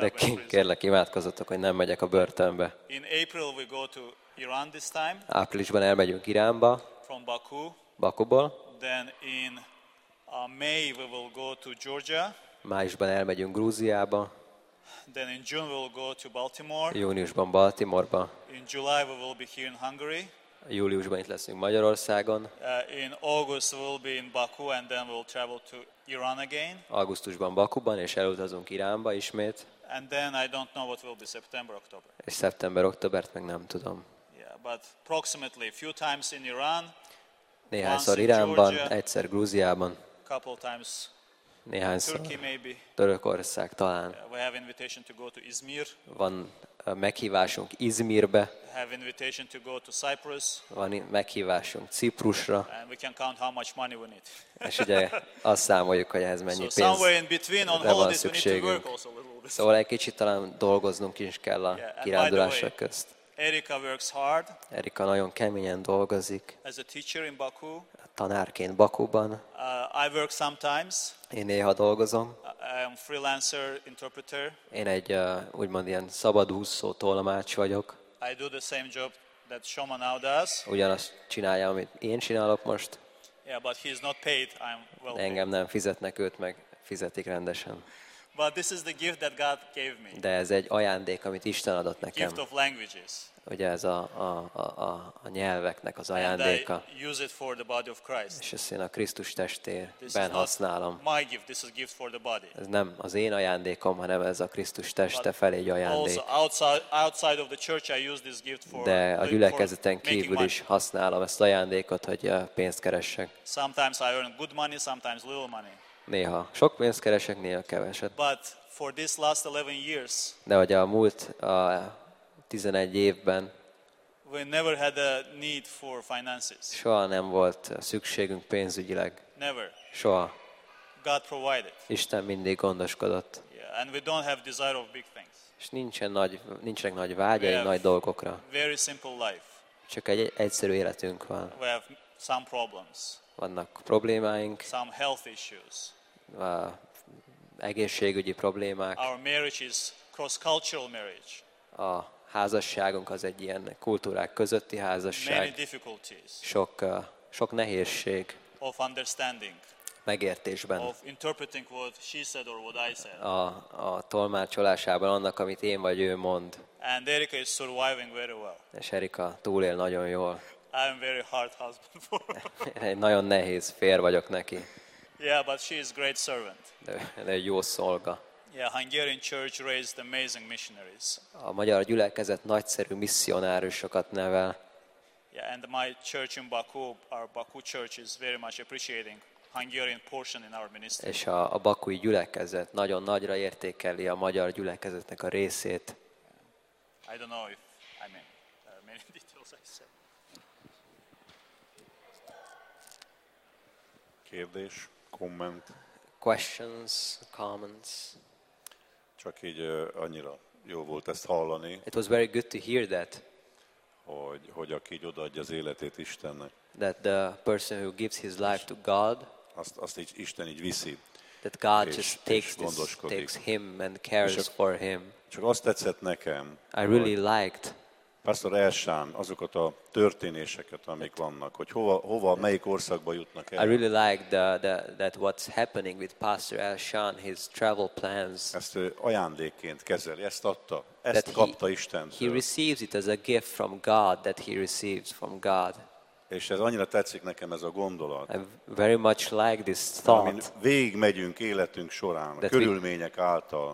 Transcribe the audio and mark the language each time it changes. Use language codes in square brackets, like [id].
[hu] De kérlek, imádkozzatok, hogy nem megyek a börtönbe. [en] In April we go to Iran this time. [hu] Áprilisban elmegyünk Iránba. [en] From Baku. [hu] Bakuból. [en] Then in May we will go to Georgia. [hu] Májusban elmegyünk Grúziába. [en] Then in June we will go to Baltimore. [hu] Júniusban Baltimoreba. [en] In July we will be here in Hungary. [hu] Júliusban itt leszünk Magyarországon. [en] In August we'll be in Baku and then we'll travel to Iran again. [hu] Augusztusban Bakuban és elutazunk Iránba ismét. [en] And then I don't know what will be September, October. [hu] És szeptember-októbert meg nem tudom. [en] Yeah, but approximately a few times in Iran. [hu] Néhányszor Iránban, egyszer Grúziában. [en] Couple times. [hu] Néhányszor. [en] Turkey maybe. [hu] Törökország talán. [en] We have invitation to go to Izmir. [hu] Van meghívásunk Izmirbe. [en] Have invitation to go to Cyprus. [hu] Van meghívásunk Ciprusra. [en] And we can count how much money we need. [hu] És ugye azt számoljuk, hogy ehhez mennyi [en] so [hu] pénz. [en] Somewhere in between on holidays we need to work also a little bit. [hu] Szóval egy kicsit talán dolgoznunk is kell a kirándulásra közt. [en] Erika works hard. [hu] Erika nagyon keményen dolgozik. [en] As a teacher in Baku. [hu] Tanárként Bakuban. [en] I work sometimes. [hu] Én néha dolgozom. [en] I'm freelancer interpreter. [hu] Én egy úgymond ilyen szabadúszó tolmács vagyok. [en] I do the same job that Shoma now does. [hu] Ugyanazt csinálja, amit én csinálok most. [en] Yeah, but he's not paid. I'm well paid. [hu] Engem nem fizetnek, őt meg fizetik rendesen. [en] But this is the gift that God gave me. [hu] De ez egy ajándék, amit Isten adott nekem. [en] Gift of languages. [hu] Ugye ez a nyelveknek az ajándéka. [en] And I use it for the body of Christ. [hu] És ezt én a Krisztus testében használom. [en] My gift, this is gift for the body. [hu] Ez nem az én ajándékom, hanem ez a Krisztus teste felé egy ajándék. [en] Also outside of the church I use this gift for. [hu] De a gyülekezeten kívül is használom ezt ajándékot, hogy pénzt keressek. [en] Sometimes I earn good money, sometimes little money. [hu] Néha sok pénzt keresek, néha keveset. [en] But for this last 11 years. [hu] De hogy a múlt 11 évben. [en] We never had a need for finances. [hu] Soha nem volt szükségünk pénzügyileg. [en] Never. [hu] Soha. [en] God provided. [hu] Isten mindig gondoskodott. [en] Yeah, and we don't have desire of big things. [hu] És nincsenek nagy vágyai nagy dolgokra. [en] Very simple life. [hu] Csak egy egyszerű életünk van. [en] We have some problems. [hu] Vannak problémáink. [en] Some health issues. [hu] Egészségügyi problémák. [en] Our marriage is cross-cultural marriage. [hu] A házasságunk az egy ilyen kultúrák közötti házasság. [en] Many difficulties. [hu] Sok nehézség. [en] Of understanding. [hu] Megértésben. [en] Of interpreting what she said or what I said. [hu] A tolmácsolásában annak, amit én vagy ő mond. [en] And Erika is surviving very well. [hu] És Erika túlél nagyon jól. [en] I'm very hard husband for her. [hu] Én nagyon nehéz fér vagyok neki. [en] Yeah, but she is great servant. [hu] De jó szolga. [en] Yeah, Hungarian church raised amazing missionaries. [hu] A magyar gyülekezet nagyszerű misszionáriusokat nevel. [en] Yeah, and my church in Baku, our Baku church is very much appreciating Hungarian portion in our ministry. [hu] És a bakui gyülekezet nagyon nagyra értékeli a magyar gyülekezetnek a részét. [en] I don't know if I mean there are many details I said. [hu] Kérdés, komment. [en] Questions, comments. [hu] Csak így annyira jó volt ezt hallani. [en] It was very good to hear that. [hu] Hogy aki így odaadja az életét Istennek. [en] That the person who gives his life to God. [hu] Azt így Isten így viszi. [en] That God just takes him and cares for him. [hu] Csak azt tetszett nekem. [en] I really liked. [hu] Pastor Elsán, azokat a történéseket, amik vannak, hogy hova melyik országba jutnak el. [en] I really like that what's happening with Pastor Elsán, his travel plans. [hu] Ezt ajándékként kezeli, ezt adta, ezt kapta Istentől. [en] He receives it as a gift from God that he receives from God. [hu] És ez annyira tetszik nekem ez a gondolat. [en] I very much like this thought. [hu] Amin végigmegyünk életünk során, a körülmények által.